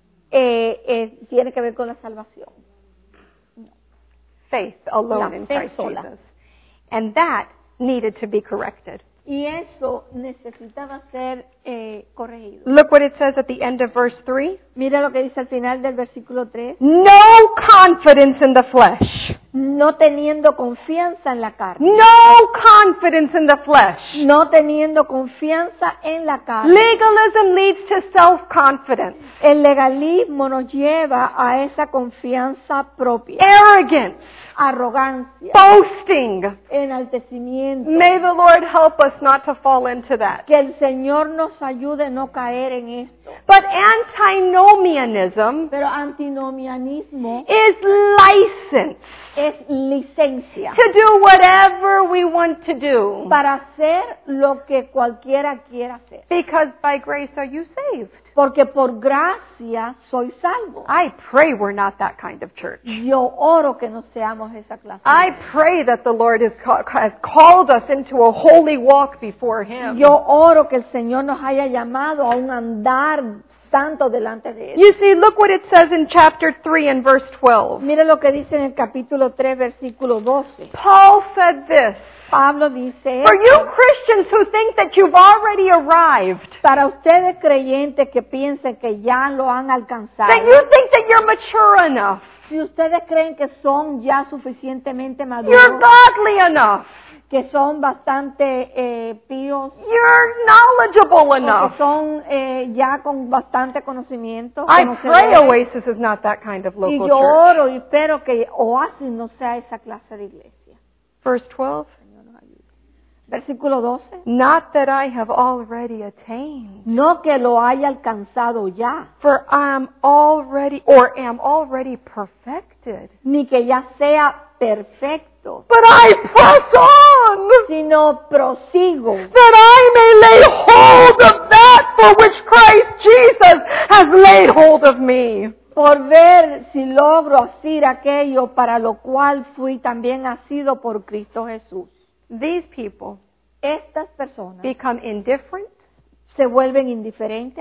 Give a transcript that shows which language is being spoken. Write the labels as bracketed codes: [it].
[es] Tiene que ver con la salvación. [en] Faith alone [es] la [en] in [es] fe [en] Christ [es] sola. [en] Jesus. And that needed to be corrected. [es] Y eso necesitaba ser corregido. [en] Look what it says at the end of verse 3. [es] Mira lo que dice al final del versículo 3. [en] No confidence in the flesh. [es] No teniendo confianza en la carne. [en] No confidence in the flesh. [es] No teniendo confianza en la carne. [en] Legalism leads to self-confidence. [es] El legalismo nos lleva a esa confianza propia. [en] Arrogance. [es] Arrogancia. [en] Boasting. [es] Enaltecimiento. [en] May the Lord help us not to fall into that. [es] Que el Señor nos ayude no caer en esto. [en] But antinomianism. [es] Pero antinomianismo. [en] Is license. [es] Es licencia. [en] To do whatever we want to do. [es] Para hacer lo que cualquiera quiera hacer. [en] Because by grace are you saved. [es] Porque por gracia soy salvo. [en] I pray we're not that kind of church. [es] Yo oro que no seamos esa clase. [en] I pray that the Lord has called us into a holy walk before Him. [es] Yo oro que el Señor nos haya llamado a un andar santo delante de Él. [en] You see, look what it says in chapter 3 and verse 12. [es] Mira lo que dice en el capítulo 3, versículo 12. [en] Paul said this. [es] Pablo dice, [en] for you Christians who think that you've already arrived, [es] para ustedes creyentes que piensen que ya lo han alcanzado, [en] that you think that you're mature enough, [es] si ustedes creen que son ya suficientemente maduros, [en] you're godly enough, [es] que son bastante píos, [en] you're knowledgeable enough, [es] que son ya con bastante conocimiento. [en] I pray Oasis is not that kind of local church. [es] Y yo oro y espero que Oasis no sea esa clase de iglesia. [en] Verse 12. [es] Versículo 12. [en] Not that I have already attained. [es] No que lo haya alcanzado ya. [en] For I am already, or am already perfected. [es] Ni que ya sea perfecto. [en] But I press on. [es] Sino prosigo. [en] That I may lay hold of that for which Christ Jesus has laid hold of me. [es] Por ver si logro hacer aquello para lo cual fui también asido por Cristo Jesús. [en] These people, [es] estas personas, [en] become indifferent, [es] se vuelven indiferentes,